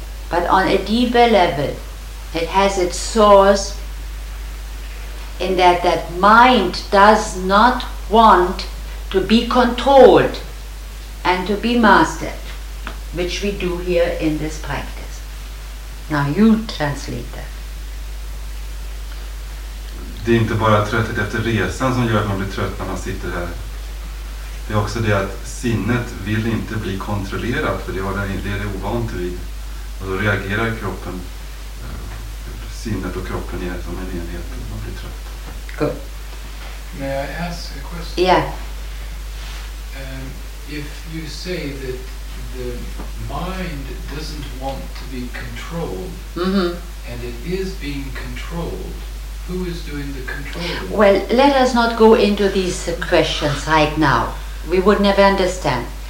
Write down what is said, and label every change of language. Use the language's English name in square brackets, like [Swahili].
[English] But on a deeper level, it has its source in that mind does not want to be controlled and to be mastered, which we do here in this practice. Now you translate that. [Swedish] Det är inte bara trötthet efter resan som gör att man blir trött när man sitter här. Det är också det att sinnet vill inte bli kontrollerat, för det har den inledning ovant vid. Och då reagerar kroppen, sinnet och kroppen är som en enhet och man blir trött. [English] Good. May I ask a question? Yeah. If you say that the mind doesn't want to be controlled, mm-hmm. and it is being controlled, who is doing the controlling? Well, let us not go into these questions right now. We would never understand.